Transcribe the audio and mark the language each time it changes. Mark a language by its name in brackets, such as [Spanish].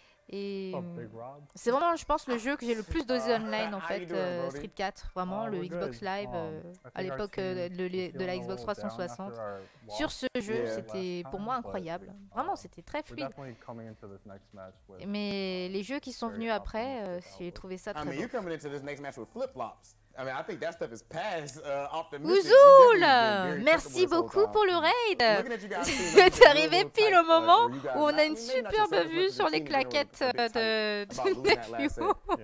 [French] Et c'est vraiment, je pense, le jeu que j'ai le plus dosé online, en fait, Street 4, vraiment, le Xbox Live, à l'époque de la Xbox 360. Sur ce jeu, c'était pour moi incroyable. Vraiment, c'était très fluide. Mais les jeux qui sont venus après, j'ai trouvé ça très bon. [English] Coming into this next match with flip-flops. I mean, I think that stuff is past optimistic. [French] Ouzoul, merci beaucoup pour le raid. C'est arrivé pile au moment où on a une superbe vue sur les claquettes de Nephew.